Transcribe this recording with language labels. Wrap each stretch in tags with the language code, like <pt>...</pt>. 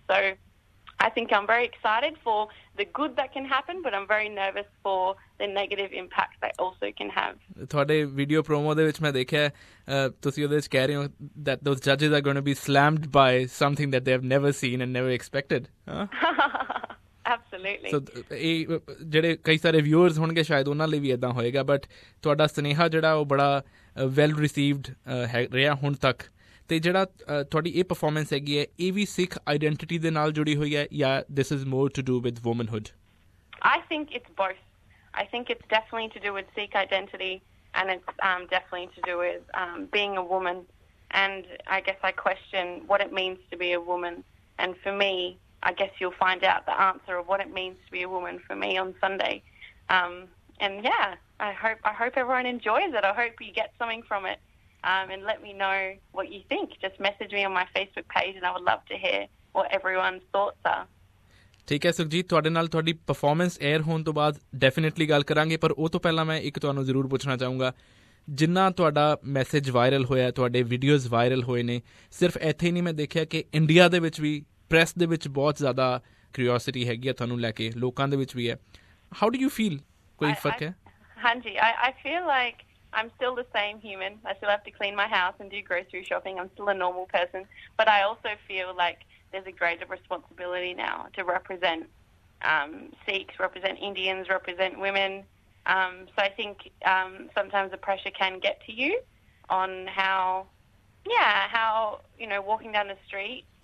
<en>So I think I'm very excited for the good that can happen, but I'm very nervous for the negative impact that also can have.</en> <pa>ਤੁਹਾਡੇ video promo ਦੇ ਵਿੱਚ ਮੈਂ ਦੇਖਿਆ ਤੁਸੀਂ ਉਹਦੇ ਵਿੱਚ ਕਹਿ ਰਹੇ ਹੋ</pa> <en>that those judges are going to be slammed by something that they have never seen and never expected. Huh? Absolutely</en> <pa>ਸੋ ਇਹ ਜਿਹੜੇ ਕਈ ਸਾਰੇ ਵਿਊਅਰਸ ਹੋਣਗੇ ਸ਼ਾਇਦ ਉਹਨਾਂ ਲਈ ਵੀ ਇਦਾਂ ਹੋਏਗਾ ਬਟ ਤੁਹਾਡਾ ਸੁਨੇਹਾ ਜਿਹੜਾ ਉਹ ਬੜਾ ਵੈਲ ਰਿਸੀਵਡ ਰਿਹਾ ਹੁਣ ਤੱਕ ਤੇ ਜਿਹੜਾ ਤੁਹਾਡੀ ਇਹ ਪਰਫਾਰਮੈਂਸ ਹੈਗੀ ਹੈ ਇਹ ਵੀ ਸਿੱਖ ਆਈਡੈਂਟੀਟੀ ਦੇ ਨਾਲ ਜੁੜੀ ਹੋਈ ਹੈ ਯਾ</pa> <en>This is more to do with womanhood I think it's both I think it's definitely to do with Sikh identity and it's definitely to do with being a woman and I guess I question what it means to be a woman and for me I guess you find out the answer of what it means to be a woman for me on Sunday and yeah I hope everyone enjoys it I hope you get something from it and let me know what you think. Just message me on my Facebook page and I would love to hear what everyone's thoughts are.</en> <pa>ਠੀਕ ਹੈ ਸੁਖਜੀਤ, ਤੁਹਾਡੇ ਨਾਲ ਤੁਹਾਡੀ performance air ਹੋਣ ਤੋਂ ਬਾਅਦ definitely ਗੱਲ ਕਰਾਂਗੇ, ਪਰ ਉਹ ਤੋਂ ਪਹਿਲਾਂ ਮੈਂ ਇੱਕ ਤੁਹਾਨੂੰ ਜ਼ਰੂਰ ਪੁੱਛਣਾ ਚਾਹੂੰਗਾ, ਜਿੰਨਾ ਤੁਹਾਡਾ ਮੈਸੇਜ ਵਾਇਰਲ ਹੋਇਆ, ਤੁਹਾਡੇ ਵੀਡੀਓਜ਼ ਵਾਇਰਲ ਹੋਏ ਨੇ, ਸਿਰਫ ਇੱਥੇ ਹੀ ਨਹੀਂ ਮੈਂ ਦੇਖਿਆ ਕਿ ਇੰਡੀਆ ਦੇ ਵਿੱਚ ਵੀ ਪ੍ਰੈਸ ਦੇ ਵਿੱਚ ਬਹੁਤ ਜ਼ਿਆਦਾ ਕਿਉਰਿਓਸਿਟੀ ਹੈਗੀ ਹੈ ਤੁਹਾਨੂੰ ਲੈ ਕੇ, ਲੋਕਾਂ ਦੇ ਵਿੱਚ ਵੀ ਹੈ,</pa> <en>how do you feel,</en> <pa>ਕੋਈ ਫਰਕ ਹੈ?</pa> <en>ਹਾਂਜੀ, I feel like I'm still the same human. I still have to clean my house and do grocery shopping. I'm still a normal person. But I also feel like there's a greater responsibility now to represent Sikhs, represent Indians, represent women. So I think sometimes the pressure can get to you on how, you know, walking down the street.</en>